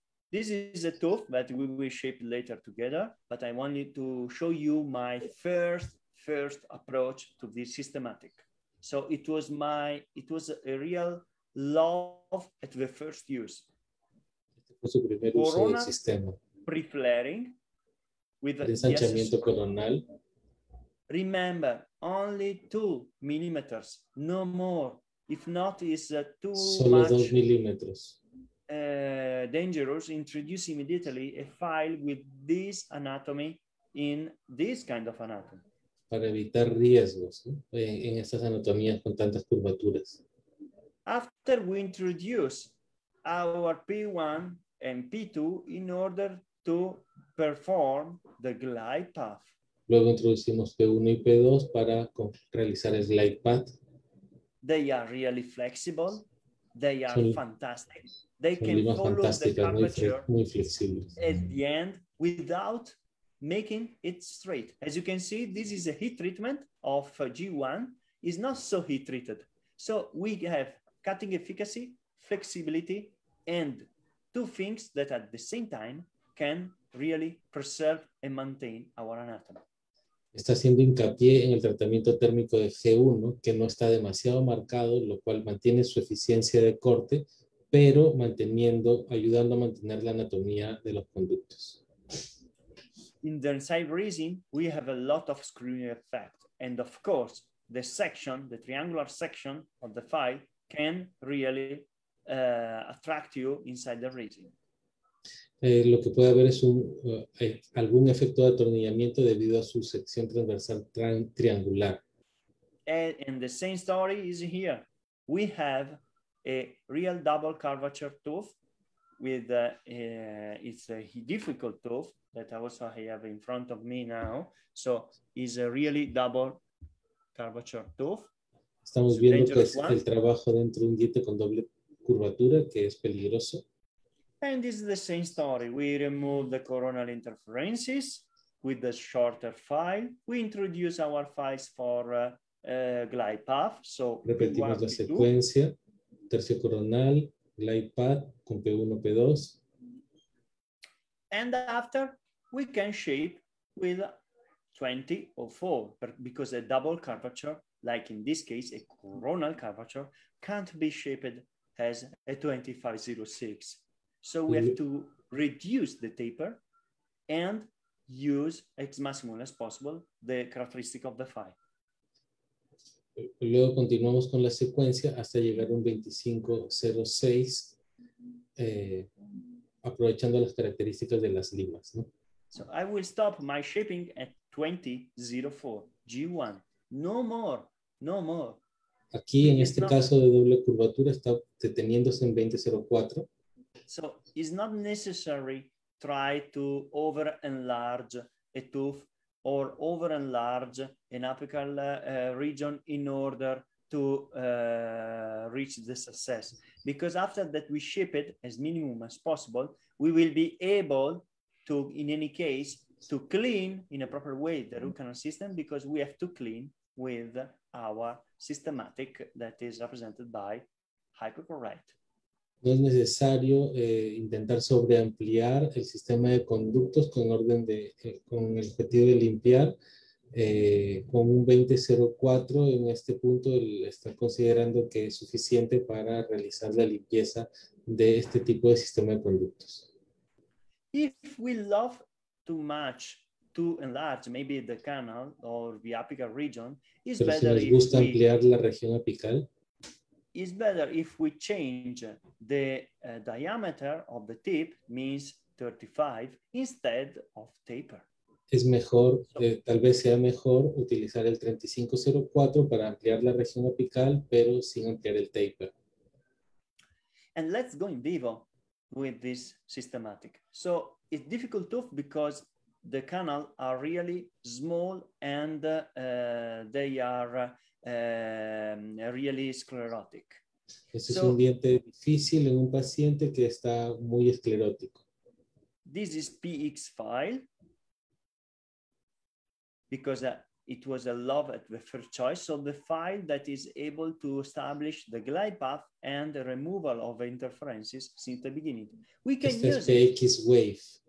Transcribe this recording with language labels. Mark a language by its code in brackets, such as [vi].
[en] This is a tooth that we will shape later together, but I wanted to show you my first approach to this systematic. So it was a real love at the first use. [es] Coronal sistema. [en] Pre-flaring with [es] ensanchamiento coronal. [en] Remember, only 2 millimeters, no more. If not, it's too [es] solo [en] much. 2 millimeters. Dangerous, introduce immediately a file with this anatomy in this kind of anatomy. [es] Para evitar riesgos en estas anatomías con tantas curvaturas. [en] After we introduce our P1 and P2 in order to perform the glide path. [es] Luego introducimos P1 y P2 para realizar el glide path. [en] They are really flexible. They are fantastic. They can follow the curvature [es] muy flexibles. [en] At the end without making it straight. As you can see, this is a heat treatment of G1. It's not so heat treated. So we have cutting efficacy, flexibility, and 2 things that at the same time can really preserve and maintain our anatomy. [es] Está haciendo hincapié en el tratamiento térmico de G1, que no está demasiado marcado, lo cual mantiene su eficiencia de corte, pero manteniendo, ayudando a mantener la anatomía de los conductos. [en] In the inside region, we have a lot of screwing effect. And of course, the section, the triangular section of the file can really attract you inside the region. [es] Lo que puede haber es algún efecto de atornillamiento debido a su sección transversal triangular. [en] And the same story is here. We have a real double curvature tooth with it's a difficult tooth that also I have in front of me now. So it's a really double curvature tooth. [es] Estamos viendo que es el trabajo dentro de un diente con doble curvatura que es peligroso. [en] And this is the same story. We remove the coronal interferences with the shorter file. We introduce our files for glide path. So [es] repetimos la secuencia. Tercio coronal, glide path con P1, P2. [en] And after, we can shape with 20.04 because a double curvature like in this case, a coronal curvature, can't be shaped as a 2506. So we have to reduce the taper and use as maximum as possible the characteristic of the file. [es] Luego continuamos con la secuencia hasta llegar a un 2506, aprovechando las características de las limas, ¿no? [en] So I will stop my shaping at 2004, G1. No more. [es] Aquí, en este caso de doble curvatura, está deteniéndose en 2004. [en] So it's not necessary try to over enlarge a tooth or over enlarge an apical region in order to reach the success. Because after that we shape it as minimum as possible, we will be able to, in any case, to clean in a proper way the root system, because we have to clean with our systematic that is represented by hypercorrect. [es] No es necesario intentar sobreampliar el sistema de conductos con orden de con el objetivo de limpiar con un 2004. En este punto está considerando que es suficiente para realizar la limpieza de este tipo de sistema de conductos. [en] If we love too much to enlarge maybe the canal or the apical region, it's better [es] si nos gusta [en] if [es] ampliar [en] we... [es] la región apical. [en] It's better if we change the diameter of the tip, means 35, instead of taper. [es] Es mejor, tal vez sea mejor utilizar el 3504 para ampliar la región apical, pero sin ampliar el taper. [en] And let's go in vivo with this systematic. So it's difficult tooth because the canal are really small and they are really sclerotic. [es] Este es un diente difícil en un paciente que está muy esclerótico. [en] This is PX file because it was a love at the first choice. So the file that is able to establish the glide path and the removal of interferences since the beginning. We can use it. PX wave.